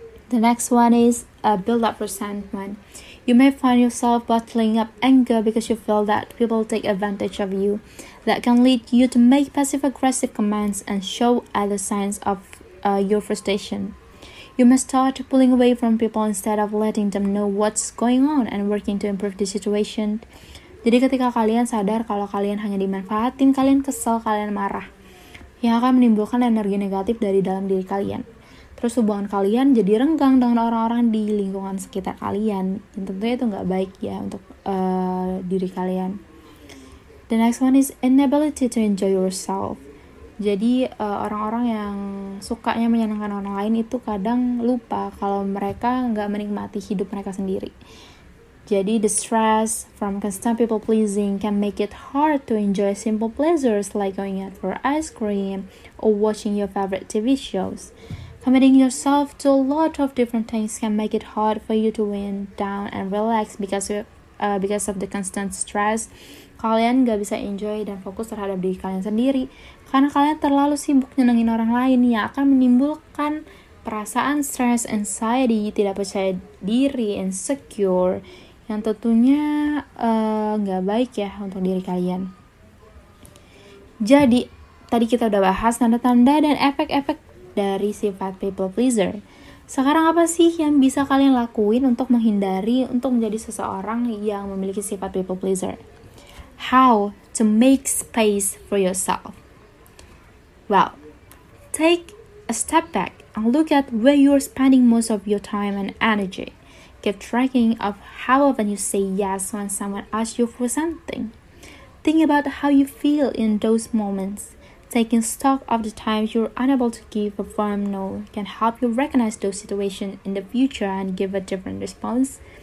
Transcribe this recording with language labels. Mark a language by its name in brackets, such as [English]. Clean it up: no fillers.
[English] The next one is a build-up resentment. You may find yourself bottling up anger because you feel that people take advantage of you. That can lead you to make passive-aggressive comments and show other signs of your frustration. You must start pulling away from people instead of letting them know what's going on and working to improve the situation. [Indonesian] Jadi ketika kalian sadar kalau kalian hanya dimanfaatin, kalian kesel, kalian marah, yang akan menimbulkan energi negatif dari dalam diri kalian. Terus hubungan kalian jadi renggang dengan orang-orang di lingkungan sekitar kalian. Dan tentunya itu gak baik ya untuk diri kalian. [English] The next one is inability to enjoy yourself. [Indonesian] Jadi orang-orang yang sukanya menyenangkan orang lain itu kadang lupa kalau mereka gak menikmati hidup mereka sendiri. Jadi [English] the stress from constant people pleasing can make it hard to enjoy simple pleasures like going out for ice cream or watching your favorite TV shows. Committing yourself to a lot of different things can make it hard for you to wind down and relax because of the constant stress. [Indonesian] Kalian gak bisa enjoy dan fokus terhadap diri kalian sendiri karena kalian terlalu sibuk nyenengin orang lain yang akan menimbulkan perasaan stress, anxiety, tidak percaya diri, insecure, yang tentunya gak baik ya untuk diri kalian. Jadi, tadi kita udah bahas tanda-tanda dan efek-efek dari sifat people pleaser. Sekarang apa sih yang bisa kalian lakuin untuk menghindari untuk menjadi seseorang yang memiliki sifat people pleaser? [English] How to make space for yourself? Well, take a step back and look at where you're spending most of your time and energy. Keep tracking of how often you say yes when someone asks you for something. Think about how you feel in those moments. Taking stock of the times you're unable to give a firm no can help you recognize those situations in the future and give a different response.